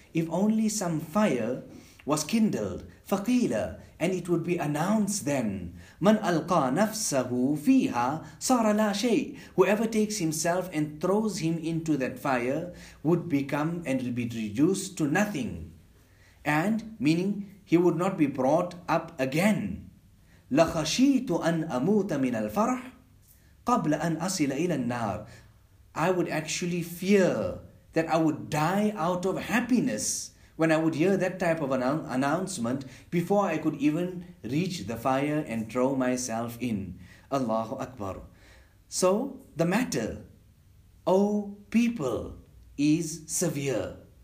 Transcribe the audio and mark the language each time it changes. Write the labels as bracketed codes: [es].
[en] If only some fire was kindled, [ar] فَقِيلَ, [en] and it would be announced then, [ar] مَنْ أَلْقَى نَفْسَهُ فِيهَا صَارَ لَا شَيْءٍ. [en] Whoever takes himself and throws him into that fire would become and will be reduced to nothing. And meaning he would not be brought up again. [ar] لَخَشِيتُ أَنْ أَمُوتَ مِنَ الْفَرْحِ قَبْلَ أَنْ أَصِلَ إِلَى النَّارِ. [en] I would actually fear that I would die out of happiness when I would hear that type of announcement before I could even reach the fire and throw myself in. Allahu Akbar. So the matter, O people, is severe.